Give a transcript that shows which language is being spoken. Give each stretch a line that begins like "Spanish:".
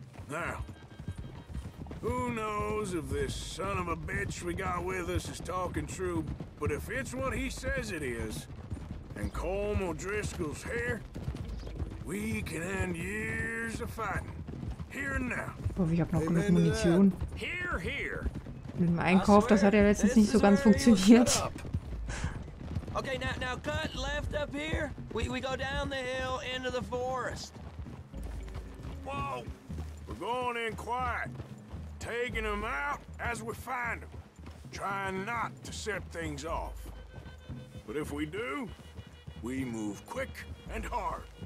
English: Now, who knows if this son of a bitch we got with us is talking true, but if it's what he says it is, and Combe O'Driscoll's here, we can end years of fighting. Here and now.
German: Ich habe noch genug Munition.
English: Here, here.
German: Mit dem Einkauf, das hat ja letztens nicht so ganz funktioniert.
English: Okay, now cut left up here. We go down the hill into the forest. Whoa, we're going in quiet, taking them out as we find them, trying not to set things off. But if we do, we move quick and hard.